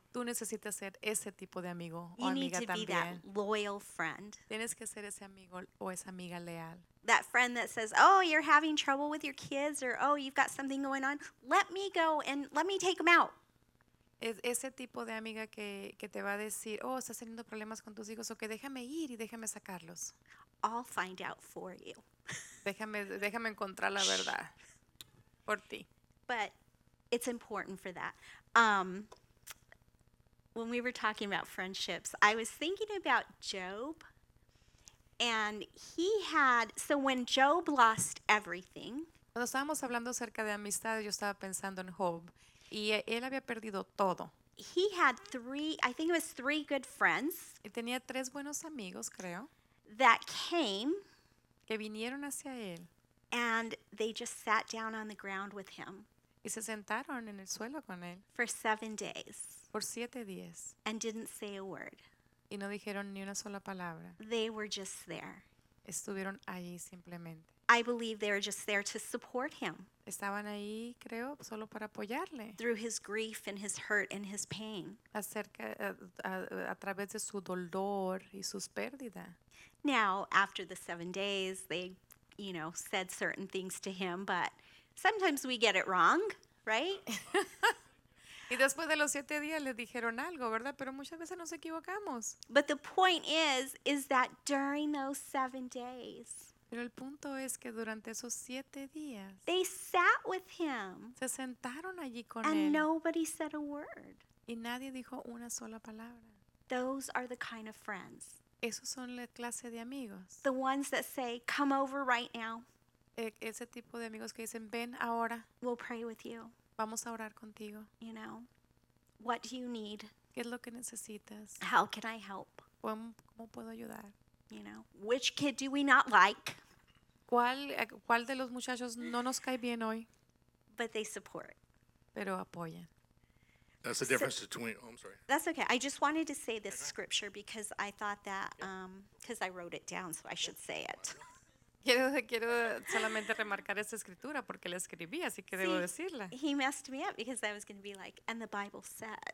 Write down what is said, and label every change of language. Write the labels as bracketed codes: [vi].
[es] Tú necesitas ser ese tipo de amigo o amiga también. [en] You need to be that loyal friend. [es] Tienes que ser ese amigo o esa amiga leal. [en] That friend that says, oh, you're having trouble with your kids, or oh, you've got something going on, let me go and let me take them out. [es] Ese tipo de amiga que te va a decir, oh, estás teniendo problemas con tus hijos, o que déjame ir y déjame sacarlos. [en] I'll find out for you. [es] Déjame encontrar la verdad por ti. [en] But it's important for that. When we were talking about friendships, I was thinking about Job. And he had, so when Job lost everything. [es] Cuando estábamos hablando acerca de amistad, yo estaba pensando en Job. Y él había perdido todo. [en] He had three good friends. [es] Y tenía tres buenos amigos, creo. [en] That came. [es] Que vinieron hacia él. [en] And they just sat down on the ground with him. [es] Y se sentaron en el suelo con él. [en] For 7 days. [es] Por 7 días. [en] And didn't say a word. [es] Y no dijeron ni una sola palabra. [en] They were just there. [es] Estuvieron allí simplemente. [en] I believe they were just there to support him. [es] Estaban ahí, creo, solo para apoyarle. [en] Through his grief and his hurt and his pain. [es] A través de su dolor y sus pérdidas. [en] Now, after the 7 days, they, you know, said certain things to him, but sometimes we get it wrong, right? [es] Y después de los 7 días le dijeron algo, ¿verdad? Pero muchas veces nos equivocamos. [en] But the point is that during those 7 days. [es] Pero el punto es que durante esos 7 días. [en] They sat with him. [es] Se sentaron allí con él. [en] And nobody said a word. [es] Y nadie dijo una sola palabra. [en] Those are the kind of friends. [es] Esos son la clase de amigos. [en] The ones that say, come over right now. [es] Ese tipo de amigos que dicen, ven ahora. [en] We'll pray with you. [es] Vamos a orar contigo. [en] You know, what do you need? [es] ¿Qué es lo que necesitas? [en] How can I help? [es] ¿Cómo puedo ayudar? [en] You know, which kid do we not like? [es] ¿Cuál de los muchachos no nos cae bien hoy? [en] But they support. [es] Pero apoyan. [en] That's the difference between. Oh, I'm sorry. That's okay. I just wanted to say this scripture because I thought that because I wrote it down, so I should say it. [es] Quiero solamente remarcar esta escritura porque la escribí, así que debo decirla. [en] He messed me up because I was going to be like, and the Bible said.